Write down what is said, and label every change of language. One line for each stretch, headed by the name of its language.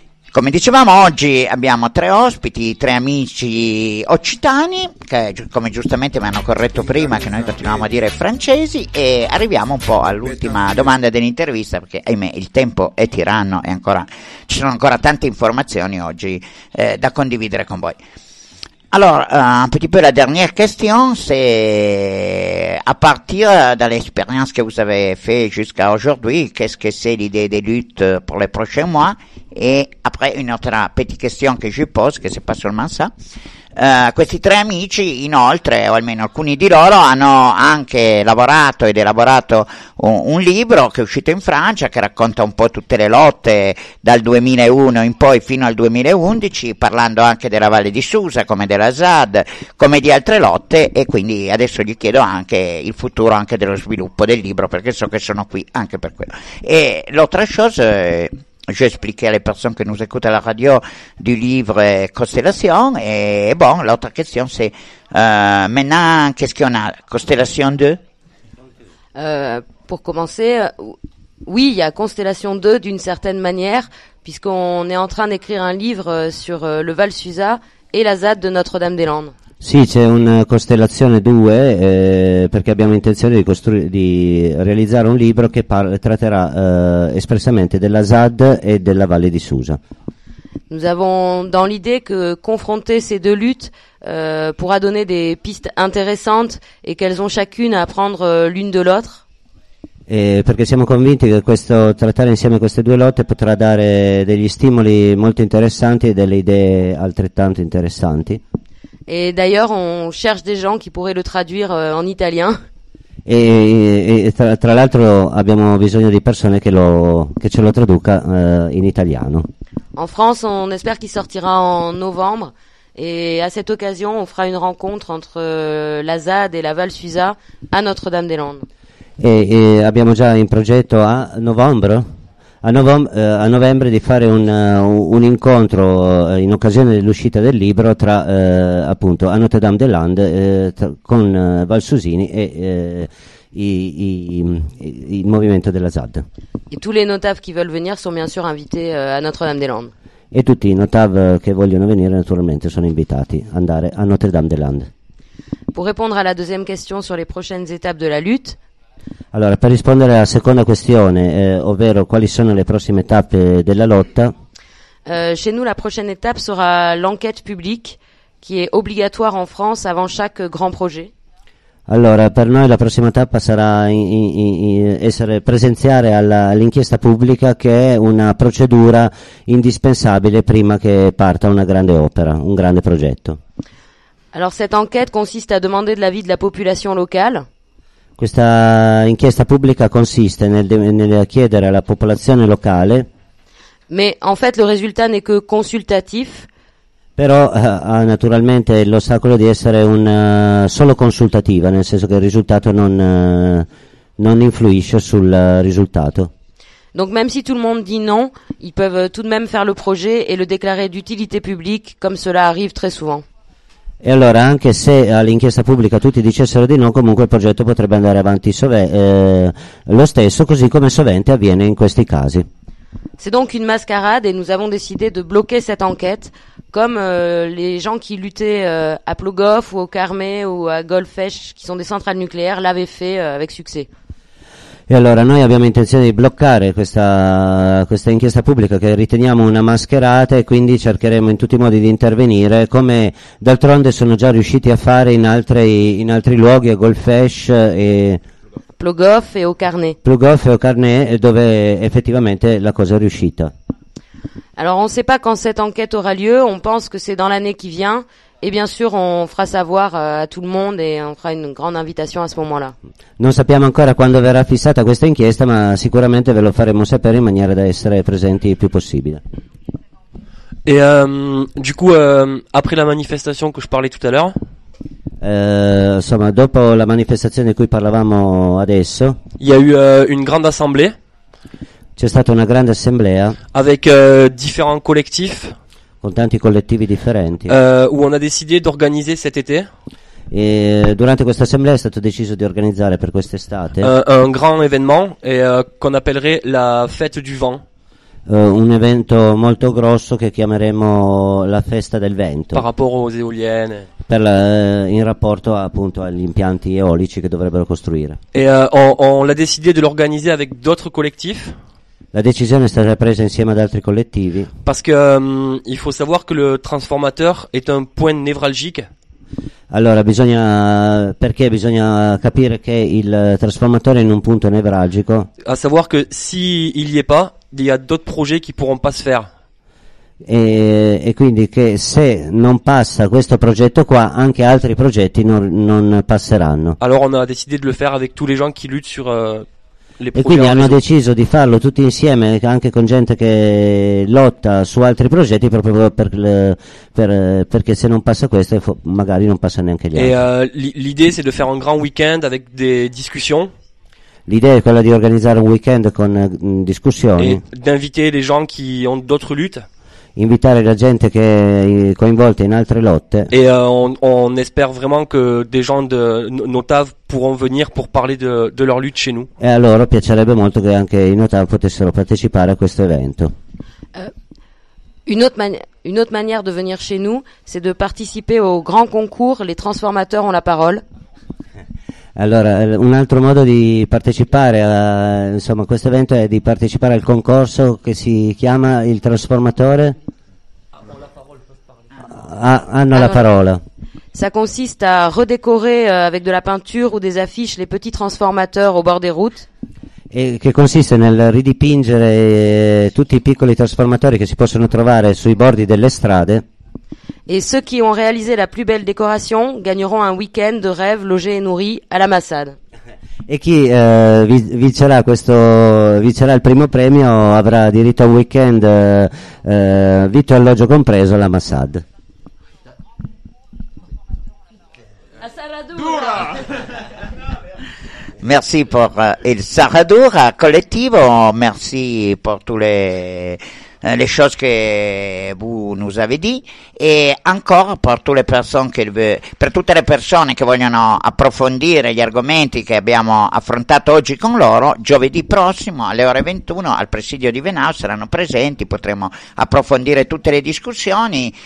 Italian: Come dicevamo, oggi abbiamo tre ospiti, tre amici occitani, che come giustamente mi hanno corretto prima, che noi continuiamo a dire francesi, e arriviamo un po' all'ultima domanda dell'intervista, perché ahimè il tempo è tiranno e ancora, ci sono ancora tante informazioni oggi da condividere con voi.
French: Alors, un petit peu la dernière question, c'est à partir de l'expérience que vous avez fait jusqu'à aujourd'hui, qu'est-ce que c'est l'idée des luttes pour les prochains mois? Et après, une autre petite question que je pose, que c'est pas seulement ça,
Italian: Questi tre amici, inoltre, o almeno alcuni di loro, hanno anche lavorato ed elaborato un libro che è uscito in Francia, che racconta un po' tutte le lotte dal 2001 in poi fino al 2011, parlando anche della Valle di Susa, come della ZAD, come di altre lotte, e quindi adesso gli chiedo anche il futuro anche dello sviluppo del libro, perché so che sono qui anche per quello. E l'altra cosa,
French: j'ai expliqué à les personnes qui nous écoutent à la radio du livre Constellation, et bon, l'autre question c'est maintenant, qu'est-ce qu'on a, Constellation 2 Pour commencer, oui, il y a Constellation 2 d'une certaine manière, puisqu'on est en train d'écrire un livre sur le Val Susa et la ZAD de Notre-Dame-des-Landes.
Italian: Sì, c'è una Constellation 2, perché abbiamo intenzione di realizzare un libro che tratterà espressamente della ZAD e della Valle di Susa.
French: Nous avons dans l'idée que confronter ces deux luttes pourra donner des pistes intéressantes et qu'elles ont chacune à prendre l'une de l'autre.
Italian: Perché siamo convinti che questo trattare insieme queste due lotte potrà dare degli stimoli molto interessanti e delle idee altrettanto interessanti.
French: Et d'ailleurs, on cherche des gens qui pourraient le traduire en italien.
Italian: Et tra l'altro, abbiamo bisogno di persone che ce lo traduca in italiano.
French: En France, on espère qu'il sortira en novembre. Et à cette occasion, on fera une rencontre entre la ZAD et la Val Susa à Notre-Dame-des-Landes.
Italian: Et abbiamo già in progetto a novembre. A novembre di fare un incontro in occasione dell'uscita del libro tra appunto a Notre-Dame-des-Landes con Val Susini e il movimento della ZAD.
French: Et tous les notaves qui veulent venir sont bien sûr invités à Notre-Dame-des-Landes.
Italian: E tutti i notav che vogliono venire naturalmente sono invitati ad andare a Notre-Dame-des-Landes.
French: Pour répondre à la deuxième question sur les prochaines étapes de la lutte.
Italian: Allora, per rispondere alla seconda questione, ovvero quali sono le prossime tappe della lotta?
French: Chez nous la prochaine étape sera l'enquête publique qui est obligatoire en France avant chaque grand projet.
Italian: Allora, per noi la prossima tappa sarà essere presenziare all'inchiesta pubblica, che è una procedura indispensabile prima che parta una grande opera, un grande progetto.
French: Alors cette enquête consiste à demander de l'avis de la population locale.
Italian: Questa inchiesta pubblica consiste nel chiedere alla popolazione locale.
French: Mais en fait le résultat n'est que consultatif.
Italian: Però ha naturalmente l'ostacolo di essere solo consultativa, nel senso che il risultato non influisce sul risultato.
French: Donc même si tout le monde dit non, ils peuvent tout de même faire le projet et le déclarer d'utilité publique comme cela arrive très souvent.
Italian: E allora, anche se all'inchiesta pubblica tutti dicessero di no, comunque il progetto potrebbe andare avanti lo stesso, così come sovente avviene in questi casi.
French: C'est donc une mascarade et nous avons décidé de bloquer cette enquête, comme les gens qui luttaient à Plogoff ou au Carmé ou à Golfech, qui sont des centrales nucléaires, l'avaient fait avec succès.
Italian: E allora noi abbiamo intenzione di bloccare questa inchiesta pubblica, che riteniamo una mascherata, e quindi cercheremo in tutti i modi di intervenire, come d'altronde sono già riusciti a fare in altri luoghi, a Golfech e Plogoff e au Carné. Plogoff e au Carné, dove effettivamente la cosa è riuscita.
French: Alors on sait pas quand cette enquête aura lieu, on pense que c'est dans l'année qui vient. Et bien sûr, on fera savoir à tout le monde et on fera une grande invitation à ce moment-là.
Italian: Non sappiamo ancora quando verrà fissata questa inchiesta, ma sicuramente ve lo faremo sapere in maniera da essere presenti il più possibile.
French: Et du coup, après la manifestation que je parlais tout à l'heure,
Italian: insomma, dopo la manifestazione di cui parlavamo adesso,
French: il y a eu une grande assemblée.
Italian: C'è stata una grande assemblea
French: avec différents collectifs.
Italian: Con tanti collettivi differenti.
French: Où on a décidé d'organiser cet été.
Italian: E durante questa assemblea è stato deciso di organizzare per quest'estate.
French: Un grand événement et qu'on appellerait la fête du vent.
Italian: Un evento molto grosso che chiameremo la festa del vento.
French: Par rapport aux éoliennes.
Italian: In rapporto appunto agli impianti eolici che dovrebbero costruire.
French: Et on l'a décidé de l'organiser avec d'autres collectifs.
Italian: La decisione è stata presa insieme ad altri collettivi.
French: Parce que il faut savoir que le transformateur est un point névralgique.
Italian: Allora, bisogna capire che il trasformatore è in un punto nevralgico.
French: À savoir que si il y est pas, il y a d'autres projets qui pourront pas se faire.
Italian: E quindi che se non passa questo progetto qua, anche altri progetti non passeranno.
French: Allora on a décidé de le faire avec tous les gens qui luttent sur les projets.
Italian: E quindi hanno deciso di farlo tutti insieme, anche con gente che lotta su altri progetti, proprio perché se non passa questo magari non passa neanche gli altri.
French: L'idée c'est de faire un grand weekend avec des discussions.
Italian: L'idea è quella di organizzare un weekend con discussioni.
French: E d'inviter les gens qui ont d'autres luttes.
Italian: Invitare la gente che è coinvolta in altre lotte.
French: E on espère vraiment que des gens de Notav pourront venir pour parler de leur lutte chez nous.
Italian: E allora piacerebbe molto che anche i Notav potessero partecipare a questo evento.
French: Une autre manière de venir chez nous, c'est de participer au grand concours Les Transformateurs ont la parole.
Italian: Allora, un altro modo di partecipare a questo evento è di partecipare al concorso che si chiama Il Trasformatore. Hanno la parola.
French: Ça consiste à redécorer avec de la peinture ou des affiches les petits transformateurs au bord des routes.
Italian: E che consiste nel ridipingere tutti i piccoli trasformatori che si possono trovare sui bordi delle strade.
French: Et ceux qui ont réalisé la plus belle décoration gagneront un week-end de rêve logé et nourri à la Massad.
Italian: E chi vincerà il primo premio avrà diritto a un weekend vitto e alloggio compreso alla Massad. A Saradura.
French: Merci pour il Saradura collettivo, merci pour tous les choses que vous nous avez dit,
Italian: et encore per tutte le persone che vogliono approfondire gli argomenti che abbiamo affrontato oggi con loro, giovedì prossimo alle ore 21 al presidio di Venao saranno presenti, potremo approfondire tutte le discussioni.